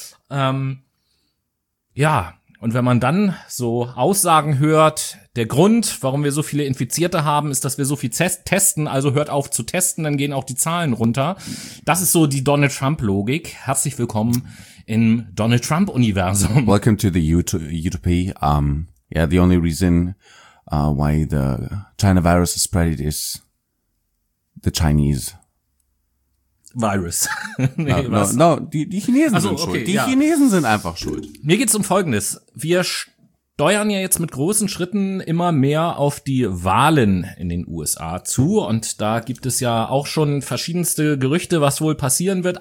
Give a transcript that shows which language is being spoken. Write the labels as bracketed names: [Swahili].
[German] Und wenn man dann so Aussagen hört, der Grund, warum wir so viele Infizierte haben, ist, dass wir so viel testen, also hört auf zu testen, dann gehen auch die Zahlen runter. Das ist so die Donald Trump-Logik. Herzlich willkommen im Donald Trump-Universum. [English] Welcome to the utopia. The only reason why the China virus is spread is the Chinese Virus. [German] Die Chinesen sind schuld. Okay, Chinesen sind einfach schuld. Mir geht's um Folgendes. Wir steuern ja jetzt mit großen Schritten immer mehr auf die Wahlen in den USA zu. Und da gibt es ja auch schon verschiedenste Gerüchte, was wohl passieren wird.